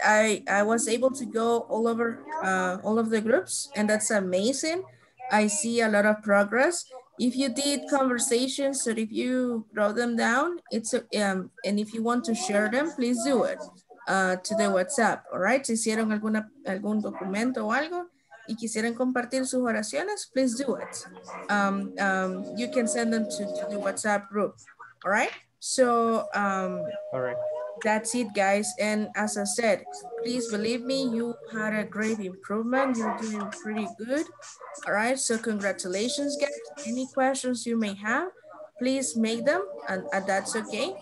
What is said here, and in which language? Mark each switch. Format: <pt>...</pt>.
<en>I was able to go all over all of the groups, and that's amazing. I see a lot of progress. If you did conversations, or if you wrote them down, it's and if you want to share them, please do it to the WhatsApp. All right.</en> <es>Si hicieron algún documento o algo y quisieran compartir sus oraciones,</es> <en>please do it. You can send them to the WhatsApp group. All right. So all right. That's it, guys. And as I said, please believe me, you had a great improvement. You're doing pretty good. All right. So congratulations, guys. Any questions you may have, please make them. And that's okay.</en>